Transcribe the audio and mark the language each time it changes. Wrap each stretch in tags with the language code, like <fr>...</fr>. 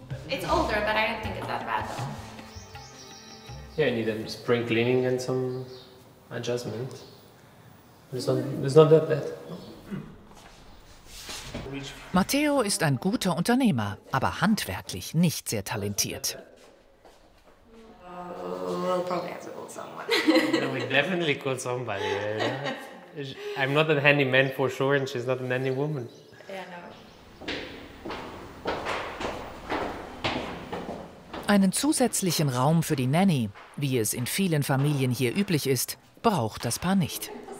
<en>It's older, but I don't think it's that bad though. Yeah, I need a spring cleaning and some adjustment. It's not that bad.</en> <de>Matteo ist ein guter Unternehmer, aber handwerklich nicht sehr talentiert.</de> <en>We'll probably have to call someone. We definitely call somebody. Yeah. I'm not a handyman for sure, and she's not a handy woman.</en> <de>Einen zusätzlichen Raum für die Nanny, wie es in vielen Familien hier üblich ist, braucht das Paar nicht.</de>